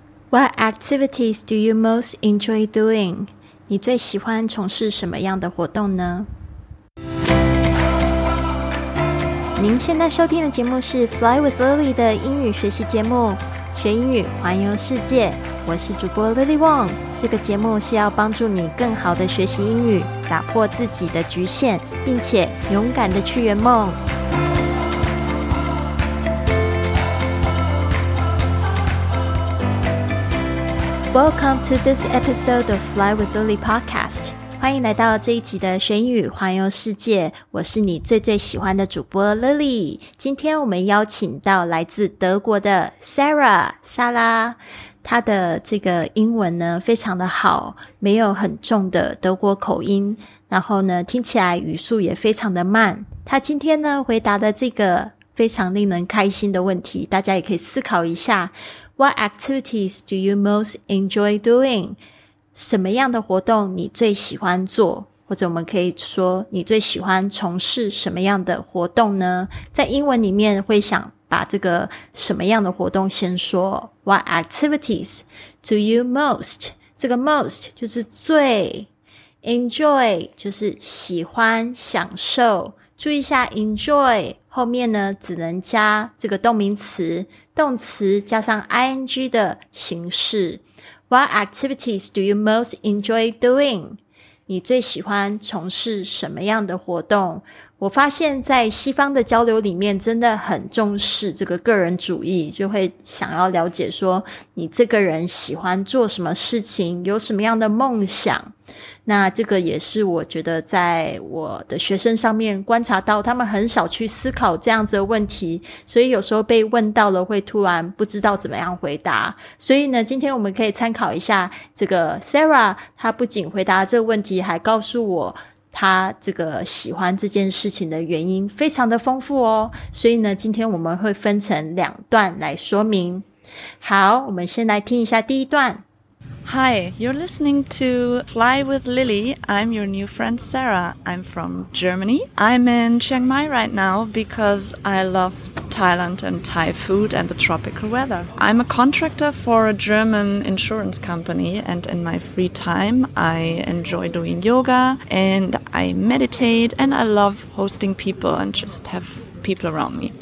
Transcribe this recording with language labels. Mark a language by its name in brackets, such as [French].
[English] What activities do you most enjoy doing? [Chinese] 你最喜欢从事什么样的活动呢？您现在收听的节目是 Fly with Lily 的英语学习节目，学英语，环游世界。我是主播 Lily Wong。这个节目是要帮助你更好的学习英语，打破自己的局限，并且勇敢的去圆梦。 [English] Welcome to this episode of Fly with Lily podcast. [Chinese] 欢迎来到这一集的学英语环游世界，我是你最最喜欢的主播 Lily。今天我们邀请到来自德国的 Sarah 莎拉，她的这个英文呢非常的好，没有很重的德国口音，然后呢听起来语速也非常的慢。她今天呢回答的这个非常令人开心的问题，大家也可以思考一下， [English] What activities do you most enjoy doing? [Chinese] 什么样的活动你最喜欢做？或者我们可以说你最喜欢从事什么样的活动呢？在英文里面会想把这个什么样的活动先说。 [English] What activities do you most? [Chinese] 这个 most 就是最， enjoy 就是喜欢享受。注意一下 enjoy 后面呢只能加这个动名词，动词加上 ing 的形式。 [English] What activities do you most enjoy doing? [Chinese] 你最喜欢从事什么样的活动？我发现在西方的交流里面真的很重视这个个人主义，就会想要了解说你这个人喜欢做什么事情，有什么样的梦想。那这个也是我觉得在我的学生上面观察到，他们很少去思考这样子的问题，所以有时候被问到了会突然不知道怎么样回答。所以呢今天我们可以参考一下这个 Sarah， 她不仅回答这个问题，还告诉我他这个喜欢这件事情的原因非常的丰富哦。所以呢今天我们会分成两段来说明。好，我们先来听一下第一段。 [English] Hi, you're listening to Fly with Lily. I'm your new friend Sarah. I'm from Germany. I'm in Chiang Mai right now because I love Thailand and Thai food and the tropical weather. I'm a contractor for a German insurance company, and in my free time I enjoy doing yoga and I meditate and I love hosting people and just have people around me.